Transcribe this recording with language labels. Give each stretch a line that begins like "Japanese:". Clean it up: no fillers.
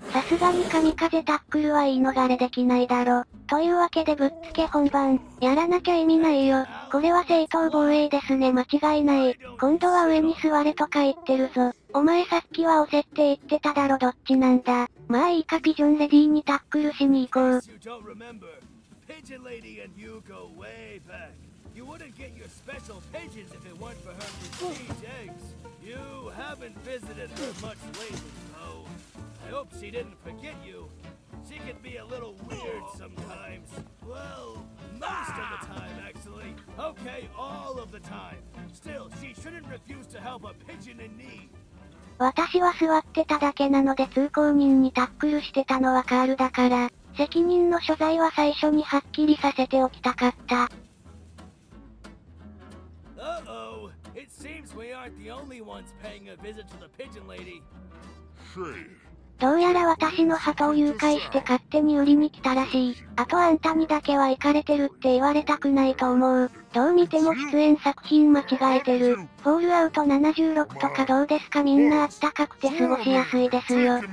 Japanese: さすがに神風タックルは言い逃れできないだろ。というわけでぶっつけ本番。やらなきゃ意味ないよ。これは正当防衛ですね。間違いない。今度は上に座れとか言ってるぞ。お前さっきは押せって言ってただろ。どっちなんだ。まあいいかピジョンレディーにタックルしに行こう。
English: Pigeon lady and you go way back. You wouldn't get your special pigeons if it weren't for her to teach eggs. You haven't visited her much lately, though. I hope she didn't forget you. She can be a little weird sometimes. Well, most of the time, actually. Okay, all of the time. Still, she shouldn't refuse to help a pigeon in need.
Japanese: 私は座ってただけなので通行人にタックルしてたのはカールだから、責任の所在は最初にはっきりさせておきたかった。 Uh-oh.
English: It seems we aren't the only ones paying a visit to the pigeon lady.
Japanese: どうやら私の鳩を誘拐して勝手に売りに来たらしい。あとあんたにだけはイカれてるって言われたくないと思う。どう見ても出演作品間違えてる。フォールアウト76とかどうですか？みんなあったかくて過ごしやすいですよ。